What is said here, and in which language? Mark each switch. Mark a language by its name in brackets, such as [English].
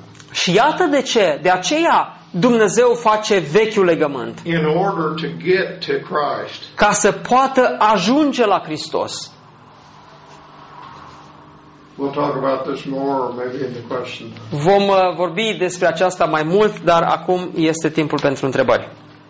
[Romanian] Și iată de ce, de aceea Dumnezeu face vechiul legământ. [English] In order to get to Christ. [Romanian] Ca să poată ajunge la Hristos. [English] We'll talk about this more, maybe in the question. [Romanian] Vom vorbi despre aceasta mai mult, dar acum este timpul pentru întrebări.